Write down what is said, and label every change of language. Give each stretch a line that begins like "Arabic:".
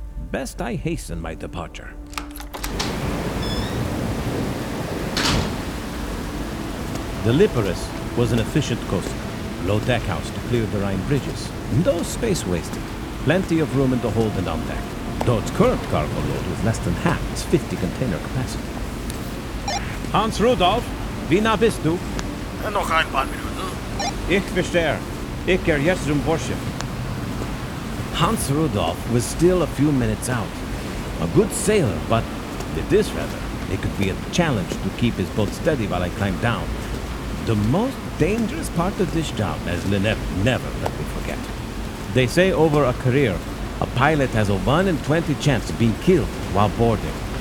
English: Best I hasten my departure. The Liparis was an efficient coaster. Low deckhouse to clear the Rhine bridges. No space wasted. Plenty of room in the hold and on deck. Though its current cargo load was less than half its 50 container capacity.
German: Hans Rudolph, wie nah bist du? Noch ein paar Minuten. Ich verstehe. Ich gehe jetzt zum Vorschiff.
English: Hans Rudolph was still a few minutes out. A good sailor, but with this weather, it could be a challenge to keep his boat steady while I climbed down. The most dangerous part of this job, as Lynette never let me forget. They say over a career, a pilot has a 1 in 20 chance of being killed while boarding.